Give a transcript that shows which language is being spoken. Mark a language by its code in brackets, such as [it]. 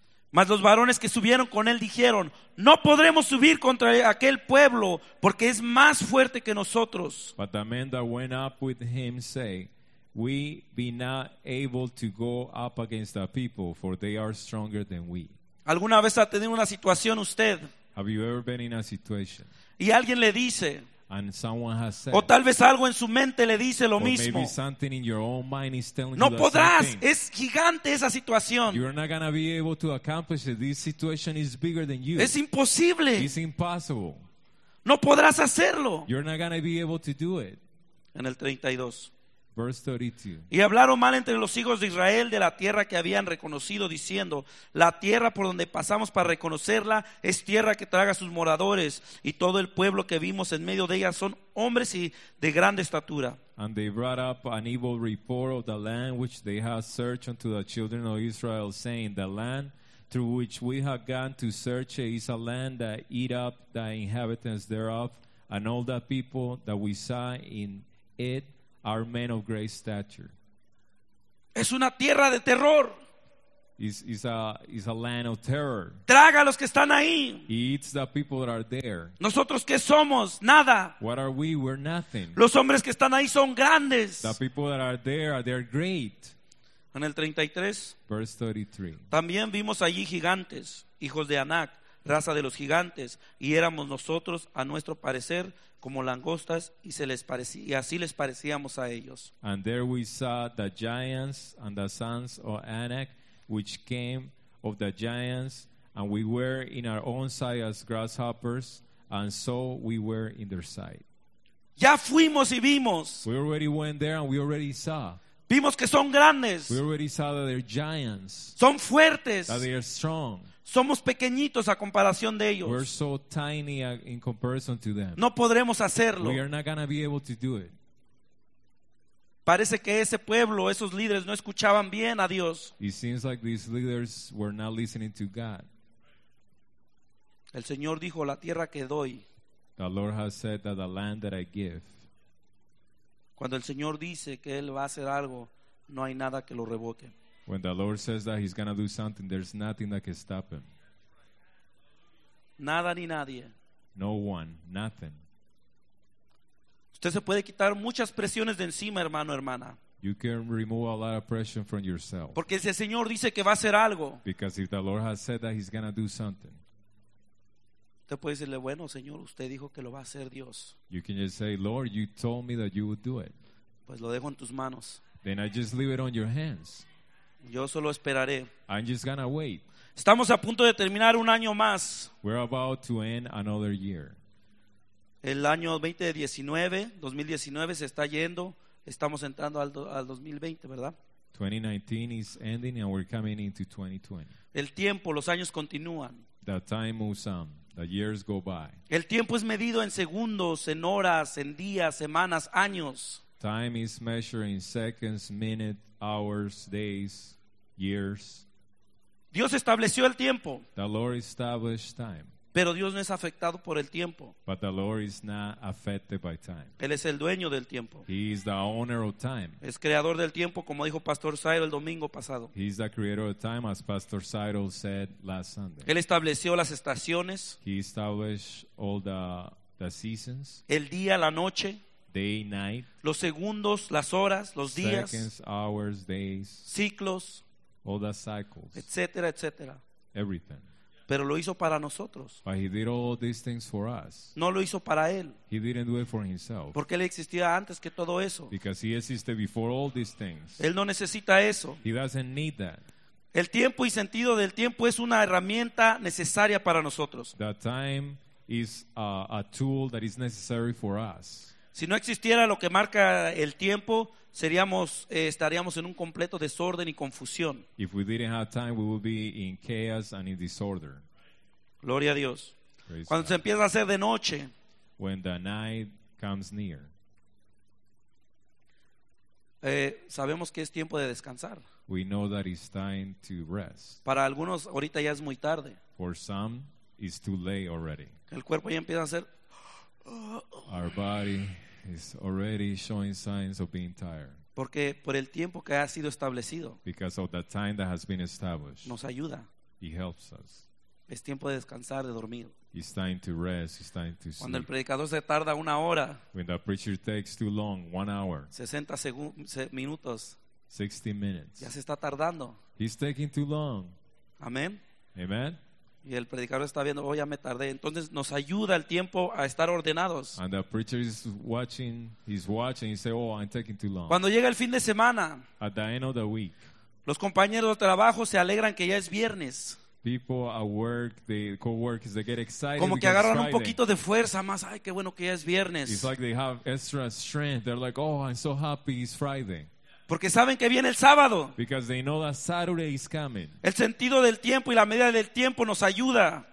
[es] Mas los varones que subieron con él dijeron, no podremos subir contra aquel pueblo porque es más fuerte que nosotros. [en] But the men that went up with him say, we be not able to go up against the people, for they are stronger than we. [es] ¿Alguna vez ha tenido una situación usted? [en] Have you ever been in a situation? [es] Y alguien le dice, [en] and someone has said, [es] o tal vez algo en su mente le dice lo mismo. [en] Maybe something in your own mind is telling [es] no [en] you [es] podrás, es gigante esa situación. [en] You're not gonna be able to accomplish it. This situation is bigger than you. [es] Es imposible. [en] It's impossible. [es] No podrás hacerlo. [en] You're not gonna be able to do it. [es] En el 32. [en] Verse 32. [es] Y hablaron mal entre los hijos de Israel de la tierra que habían reconocido, diciendo, la tierra por donde pasamos para reconocerla es tierra que traga sus moradores, y todo el pueblo que vimos en medio de ella son hombres y de grande estatura. [en] And they brought up an evil report of the land which they had searched unto the children of Israel, saying, the land through which we have gone to search is a land that eat up the inhabitants thereof, and all the people that we saw in it are men of great stature. [es] Es una tierra de terror. [en] is a land of terror. [es] Traga a los que están ahí. [en] He eats the people that are there. [es] Nosotros qué somos, nada. [en] What are we? We're nothing. [es] Los hombres que están ahí son grandes. [en] The people that are there are they're great. [es] En el 33. [en] Verse 33. [es] También vimos allí gigantes, hijos de Anac, raza de los gigantes, y éramos nosotros a nuestro parecer como langostas, y se les parecía, y así les parecíamos a ellos. [en] And there we saw the giants and the sons of Anak, which came of the giants, and we were in our own sight as grasshoppers, and so we were in their sight. [es] Ya fuimos y vimos. [en] We already went there and we already saw. [es] Vimos que son grandes. [en] We already saw that they're giants. [es] Son fuertes. [en] That they are strong. [es] Somos pequeñitos a comparación de ellos. [en] We're so tiny in comparison to them. [es] No podremos hacerlo. [en] We are not gonna be able to do it. [es] Parece que ese pueblo, esos líderes, no escuchaban bien a Dios. [en] It seems like these leaders were not listening to God. [es] El Señor dijo, la tierra que doy. [en] The Lord has said that the land that I give. [es] Cuando el Señor dice que Él va a hacer algo, no hay nada que lo revoque. [en] When the Lord says that He's going to do something, there's nothing that can stop Him. [es] Nada ni nadie. [en] No one, nothing. [es] Usted se puede quitar muchas presiones de encima, hermano, hermana. [en] You can remove a lot of pressure from yourself. [es] Porque si el Señor dice que va a hacer algo. [en] Because if the Lord has said that He's going to do something. [es] Usted puede decirle, bueno, Señor, usted dijo que lo va a hacer Dios. [en] You can just say, Lord, you told me that you would do it. [es] Pues lo dejo en tus manos. [en] Then I just leave it on your hands. [es] Yo solo esperaré. [en] I'm just gonna wait. [es] Estamos a punto de terminar un año más. [en] We're about to end another year. [es] El año 2019 se está yendo. Estamos entrando al 2020, ¿verdad? [en] 2019 is ending and we're coming into 2020. [es] El tiempo, los años continúan. [en] The time moves on. The years go by. [es] El tiempo es medido en segundos, en horas, en días, semanas, años. [en] Time is measured in seconds, minutes, hours, days, years. [es] Dios estableció el tiempo. [en] The Lord established time. [es] Pero Dios no es afectado por el tiempo. [en] But the Lord is not affected by time. [es] Él es el dueño del tiempo. [en] He is the owner of time. [es] Es creador del tiempo, como dijo Pastor Cyril el domingo pasado. [en] He is the creator of time, as Pastor Cyril said last Sunday. [es] Él estableció las estaciones. [en] He established all the seasons. [es] El día, la noche. [en] Day, night. [es] Los segundos, las horas, los días. [en] Seconds, hours, days. [es] Ciclos. [en] All the cycles. [es] Etcétera, etcétera. [en] Everything. [es] Pero lo hizo para nosotros. [en] But he did all these things for us. [es] No lo hizo para él. [en] He didn't do it for himself. [es] Porque él existía antes que todo eso. [en] Because he existed before all these things. [es] Él no necesita eso. [en] He doesn't need that. [es] El tiempo y sentido del tiempo es una herramienta necesaria para nosotros. [en] The time is a tool that is necessary for us. [es] Si no existiera lo que marca el tiempo, estaríamos en un completo desorden y confusión. [en] If we didn't have time, we would be in chaos and in disorder. [es] Gloria a Dios. [en] Praise [es] Cuando [en] God. [es] Se empieza a hacer de noche. [en] When the night comes near. [es] Sabemos que es tiempo de descansar. [en] We know that it's time to rest. [es] Para algunos, ahorita ya es muy tarde. [en] For some, it's too late already. [es] El cuerpo ya empieza a hacer... [en] Our body is already showing signs of being tired. [es] Porque por el tiempo que ha sido establecido. [en] Because of the time that has been established. [es] Nos ayuda. [en] He helps us. [es] Es tiempo de descansar, de dormir. [en] It's time to rest. It's time to sleep. [es] Cuando el predicador se tarda una hora. [en] When the preacher takes too long, 1 hour. [es] 60 minutos. [en] 60 minutes. [es] Ya se está tardando. [en] He's taking too long. Amen. Amen. [es] Y el predicador está viendo, ya me tardé. Entonces nos ayuda el tiempo a estar ordenados. [en] And the preacher is watching, he's watching, he says, I'm taking too long. [es] Cuando llega el fin de semana, [en] at the end of the week, [es] los compañeros de trabajo se alegran que ya es viernes. [en] People at work, the co-workers, they get excited. [es] Como que agarran un poquito de fuerza más, ay, qué bueno que ya es viernes. [en] It's like they have extra strength. They're like, I'm so happy it's Friday. [es] Porque saben que viene el sábado. [en] Because they know that Saturday is coming. [es] El sentido del tiempo y la medida del tiempo nos ayuda.